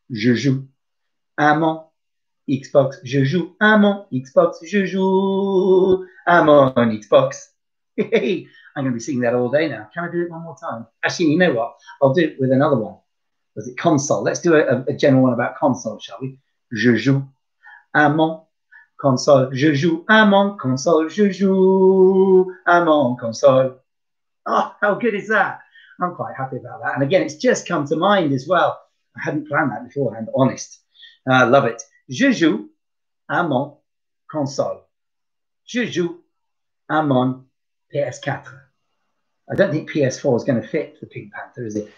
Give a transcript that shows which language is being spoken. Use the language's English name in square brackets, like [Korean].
[French] Je joue à mon Xbox, je joue à mon Xbox, je joue à mon Xbox. [English] I'm going to be singing that all day now. Can I do it one more time? Actually, you know what? I'll do it with another one. Was it console? Let's do a general one about console, shall we? [French] Je joue à mon console, je joue à mon console, je joue à mon console. [English] Oh, how good is that? I'm quite happy about that. And again, it's just come to mind as well. I hadn't planned that beforehand, honest. I love it. [French] Je joue à mon console. Je joue à mon PS4. [English] I don't think PS4 is going to fit the Pink Panther, is it?